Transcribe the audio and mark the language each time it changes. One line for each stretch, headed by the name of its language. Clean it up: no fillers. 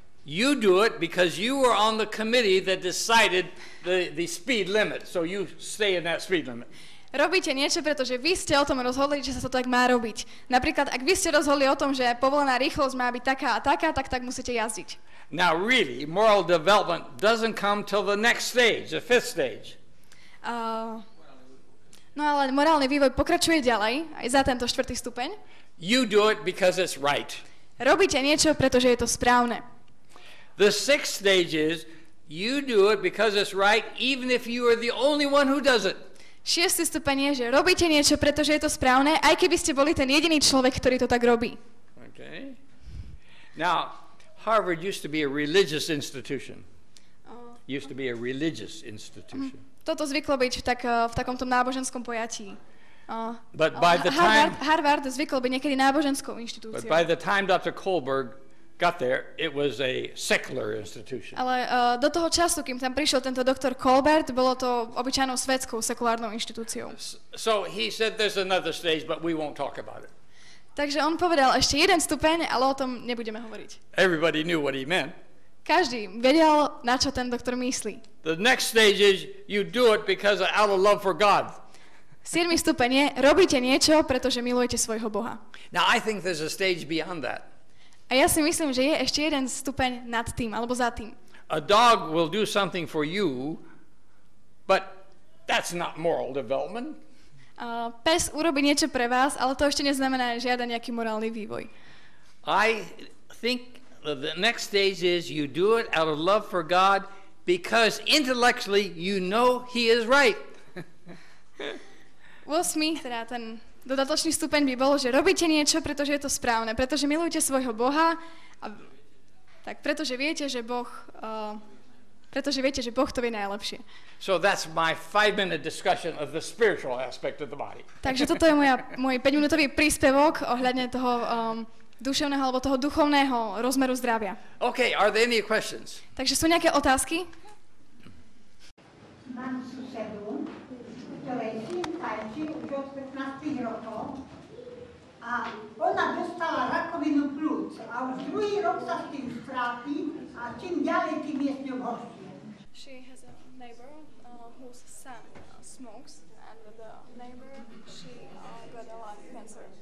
English: You do it because you were on the committee that decided the speed limit. So you stay in that speed limit.
Slovak: Robíte niečo, pretože vy ste o tom rozhodli, že sa to tak má robiť. Napríklad, ak vy ste rozhodli o tom, že povolená rýchlosť má byť taká a taká, tak musíte jazdiť.
English: Now really, moral development doesn't come till the next stage, the fifth stage.
Slovak: No ale morálny vývoj pokračuje ďalej, aj za tento štvrtý stupeň.
English: You do it because it's right.
Slovak: Robíte niečo, pretože je to správne.
English: The sixth stage is, you do it because it's right, even if you are the only one who does it.
Slovak: Šiestý stupeň je, že robíte niečo, pretože je to správne, aj keby ste boli ten jediný človek, ktorý to tak robí.
English: Okay. Now, Harvard used to be a religious institution. Used to be a religious institution.
Slovak: Toto zvyklo byť tak v takomto náboženskom pojatí.
English: But by the time
Slovak: Harvard zvyklo byť niekedy náboženskou inštitúciou.
English: But by the time Dr. Kohlberg got there, it was a secular institution.
Slovak: Ale do toho času, kým tam prišiel tento doktor Colbert, bolo to obyčajnou svetskou sekulárnou inštitúciou.
English: So he said there's another stage, but we won't talk about it.
Slovak: Takže on povedal ešte jeden stupeň, ale o tom nebudeme hovoriť.
English: Everybody knew what he meant.
Slovak: Každý vedel, na čo ten doktor myslí.
English: The next stage is you do it because of our love for God.
Slovak: Siedmy stupeň je, robíte niečo, pretože milujete svojho Boha.
English: Now I think there's a stage beyond that.
Slovak: A ja si myslím, že je ešte jeden stupeň nad tým, alebo za tým.
English: A dog will do something for you, but that's not moral development.
Slovak: Pes urobí niečo pre vás, ale to ešte neznamená žiaden nejaký morálny vývoj.
English: I think the next stage is you do it out of love for God because intellectually you know he is right.
Slovak: Will Smith, teda ten dodatočný stupeň by bol, že robíte niečo, pretože je to správne, pretože milujete svojho Boha, a tak pretože viete, že Boh to vie najlepšie.
English: So that's my 5-minute discussion of the spiritual aspect of the body.
Slovak: Takže toto je môj 5-minútový príspevok ohľadne toho duševného alebo toho duchovného rozmeru zdravia.
English: Okay, are there any questions?
Slovak: Takže sú nejaké otázky? Mám susedu, ktorej syn tajčí už od 15 rokov a ona dostala rakovinu pľúc a už druhý rok sa s tým strápi a čím ďalej, tým je s ňou horšie.
English: She has a neighbor whose son smokes and the neighbor, she got a lung cancer.